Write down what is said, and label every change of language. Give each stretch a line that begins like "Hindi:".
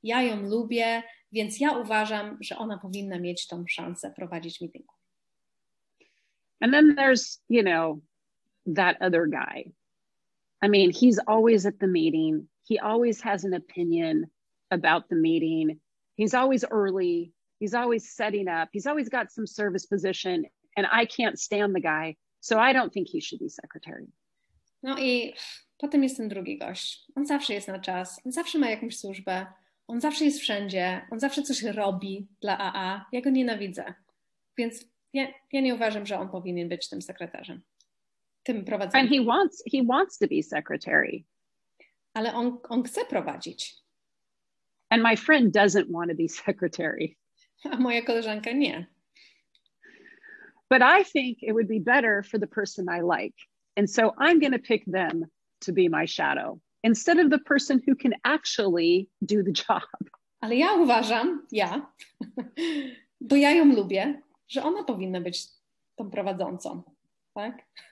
Polish: Ja ją lubię, więc ja uważam, że ona powinna mieć tą szansę prowadzić meeting.
English: And then there's, you know, that other guy. I mean, he's always at the meeting. He always has an opinion about the meeting. He's always early. He's always setting up. He's always got some service position. And I can't stand the guy. So I don't think he should be secretary.
Polish: No i potem jest ten drugi gość. On zawsze jest na czas. On zawsze ma jakąś służbę. On zawsze jest wszędzie. On zawsze coś robi dla AA. Ja go nienawidzę. Więc ja nie uważam, że on powinien być tym sekretarzem. Tym prowadzącym.
English: And he wants to be secretary.
Polish: Ale on chce prowadzić.
English: And my friend doesn't want to be secretary.
Polish: A moja koleżanka nie.
English: But I think it would be better for the person I like. And so I'm going to pick them to be my shadow instead of the person who can actually do the job.
Polish: Ale ja uważam, ja, bo ja ją lubię, że ona powinna być tą prowadzącą, tak?